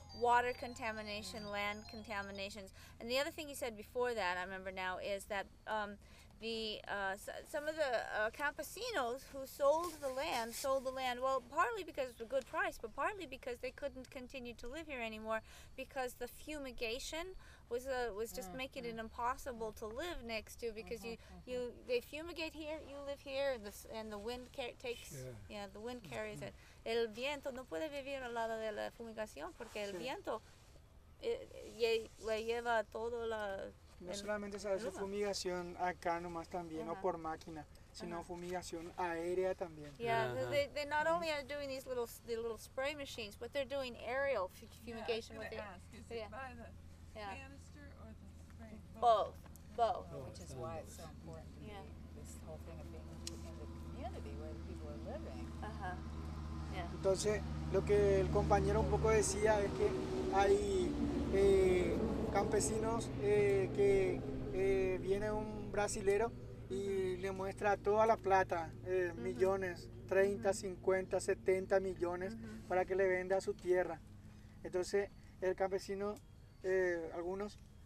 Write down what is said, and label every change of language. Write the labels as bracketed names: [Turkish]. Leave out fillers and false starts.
[English] Water contamination, land contaminations, and the other thing he said before that I remember now is that some of the campesinos who sold the land well, partly because it was a good price, but partly because they couldn't continue to live here anymore because the fumigation was just making it impossible to live next to, because they fumigate here, you live here, and the wind takes, the wind carries it. [Spanish] El viento no puede vivir al lado de la fumigación porque el viento le lleva todo la... No solamente se hace fumigación acá nomás también, o por máquina, sino fumigación aérea también. [English] They not only are doing these little spray machines, but they're doing aerial fumigation with their... Canister or the spray? Both. Which is why it's so important to this whole thing of being in the community where the people are living. [Spanish] Entonces, lo que el compañero un poco decía es que hay campesinos que viene un brasilero y le muestra toda la plata, millones, 30, 50, 70 millones para que le venda su tierra. Entonces, el campesino, algunos